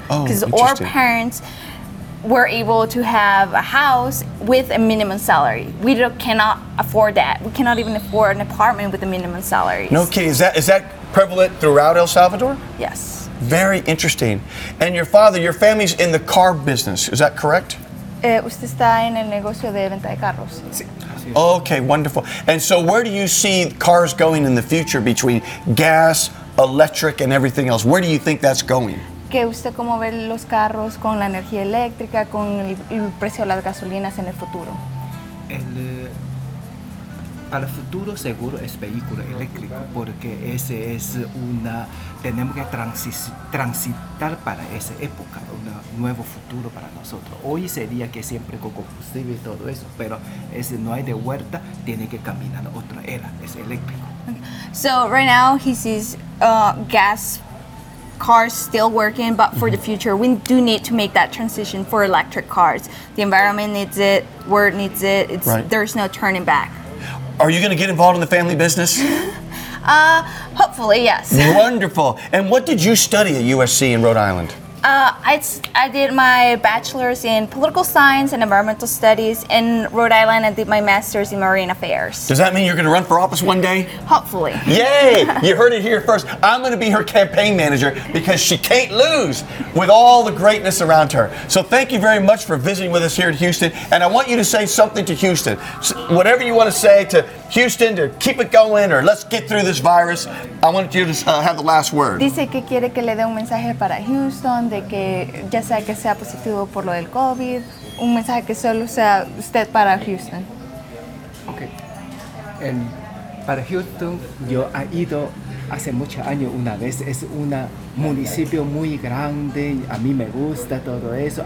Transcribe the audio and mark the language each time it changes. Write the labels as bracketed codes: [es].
[en] Because our parents were able to have a house with a minimum salary. We cannot afford that. We cannot even afford an apartment with a minimum salary. No kidding. Is that prevalent throughout El Salvador? Yes. Very interesting. And your father, your family's in the car business. Is that correct? [es] Usted está en el negocio de venta de carros. Sí. [en] Okay, wonderful. And so where do you see cars going in the future between gas, electric, and everything else? Where do you think that's going? [es] ¿Qué usted cómo ve los carros con la energía eléctrica, con el precio de las gasolinas en el futuro? Para el futuro seguro es vehículo eléctrico porque ese es una tenemos que transitar para esa época, un nuevo futuro para nosotros. Hoy sería que siempre con combustible y todo eso, pero ese no hay de vuelta, tiene que caminar otra era, es eléctrico. [en] So right now he sees gas cars still working, but for the future we do need to make that transition for electric cars. The environment needs it, world needs it, there's no turning back. Are you going to get involved in the family business? Hopefully, yes. Wonderful. And what did you study at USC in Rhode Island? I did my bachelor's in political science and environmental studies in Rhode Island. I did my master's in marine affairs. Does that mean you're going to run for office one day? Hopefully. Yay! You heard it here first. I'm going to be her campaign manager because she can't lose with all the greatness around her. So thank you very much for visiting with us here in Houston. And I want you to say something to Houston. Whatever you want to say to Houston to keep it going or let's get through this virus. I want you to have the last word. [es] Dice que quiere que le dé un mensaje para Houston. De que ya sea que sea positivo por lo del COVID, un mensaje que solo sea usted para Houston. Okay. Para Houston, yo he ido hace muchos años una vez. Es un municipio muy grande, a mí me gusta todo eso.